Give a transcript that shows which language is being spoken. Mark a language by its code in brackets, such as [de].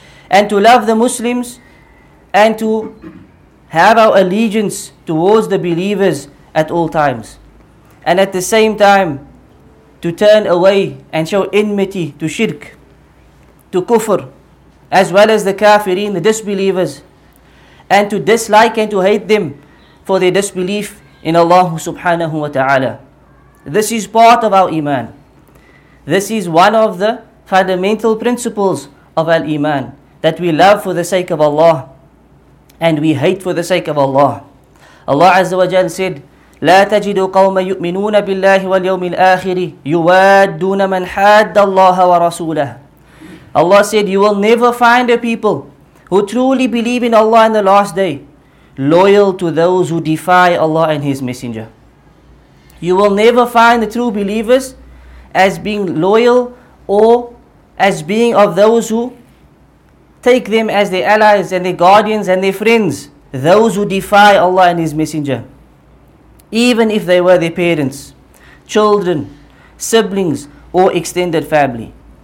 [en] and to love the Muslims and to have our allegiance towards the believers at all times, and at the same time to turn away and show enmity to shirk, to kufr, as well as the kafirin, the disbelievers, and to dislike and to hate them for their disbelief in Allah subhanahu wa ta'ala. This is part of our iman. This is one of the fundamental principles of al-iman, that we love for the sake of Allah and we hate for the sake of Allah. Allah Azza wa Jalla said, [ar] لا تجد قوم يؤمنون بالله واليوم الآخر يوادون من حاد الله ورسوله. [en] Allah said, you will never find a people who truly believe in Allah in the last day loyal to those who defy Allah and His Messenger. You will never find the true believers as being loyal or as being of those who take them as their allies and their guardians and their friends, those who defy Allah and His Messenger, even if they were their parents, children, siblings, or extended family.